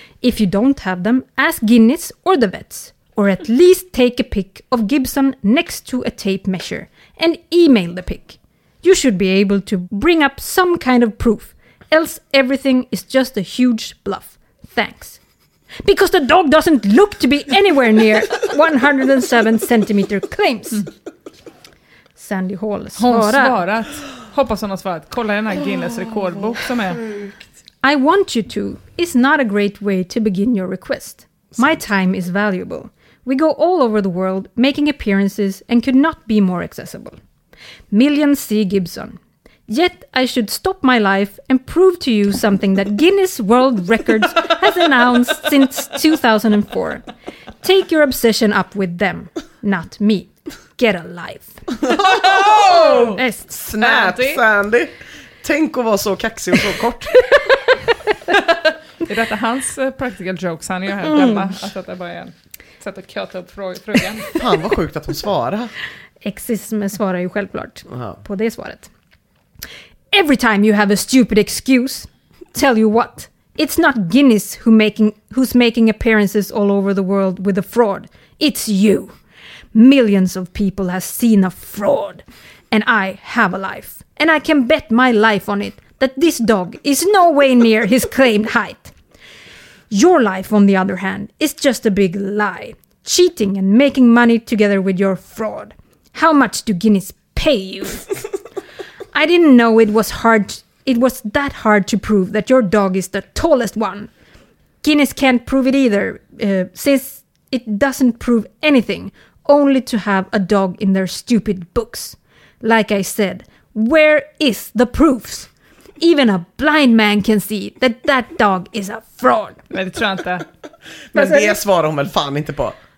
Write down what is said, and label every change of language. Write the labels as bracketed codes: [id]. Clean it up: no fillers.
[en] If you don't have them, ask Guinness or the vets. Or at least take a pic of Gibson next to a tape measure and email the pic. You should be able to bring up some kind of proof, else everything is just a huge bluff. Thanks. Because the dog doesn't look to be anywhere near 107 centimeter claims. [sv] Sandy Hall svarar. Hon svarat. Hoppas hon har svarat. Kolla den här Guinness rekordbok som är. [en] I want you to is not a great way to begin your request. My time is valuable. We go all over the world making appearances and could not be more accessible. Millions see Gibson. Yet I should stop my life and prove to you something that Guinness World Records has announced since 2004. Take your obsession up with them, not me. Get a life. Oh! Snap, Sandy. [sv] Tänk att vara så kaxig och så kort. Är detta hans [en] practical jokes? [sv] Han gör här hemma. Att det bara är en sätt att köta upp frågan. Fan, vad sjukt att hon svarar. Exism svarar ju självklart på det svaret. [en] Every time you have a stupid excuse, tell you what. It's not Guinness who's making appearances all over the world with a fraud. It's you. Millions of people have seen a fraud. And I have a life. And I can bet my life on it that this dog is no way near his claimed height. Your life, on the other hand, is just a big lie. Cheating and making money together with your fraud. How much do Guinness pay you? I didn't know it was that hard to prove that your dog is the tallest one. Guinness can't prove it either, since it doesn't prove anything, only to have a dog in their stupid books. Like I said, where is the proofs? Even a blind man can see that that dog is a fraud. [sv] Men det tror jag inte. Men det svarar hon väl fan inte på.